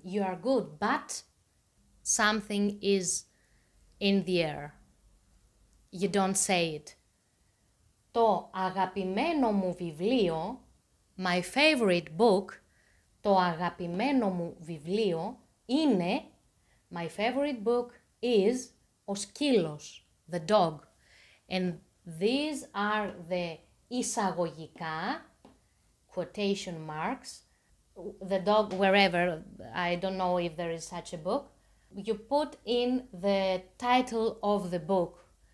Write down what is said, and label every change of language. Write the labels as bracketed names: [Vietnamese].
[English] You are good, but something is in the air. You don't say it. [Greek] Το αγαπημένο μου βιβλίο, [English] my favorite book, [Greek] το αγαπημένο μου βιβλίο είναι, [English] my favorite book is, [Greek] ο σκύλος, [English] the dog. And these are the εισαγωγικά, quotation marks, the dog, wherever, I don't know if there is such a book, you put in the title of the book.